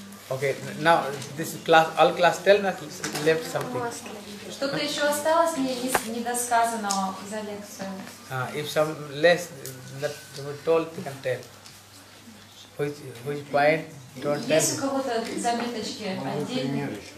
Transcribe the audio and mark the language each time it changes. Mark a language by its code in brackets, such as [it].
[en] Okay, now this class, all class, tell me, left something. [ru] Что-то еще осталось мне из недосказанного за лекцию? [en] If some less that were told, you can tell. Which point? Don't tell. [ru] Есть у кого-то заметочки отдельные?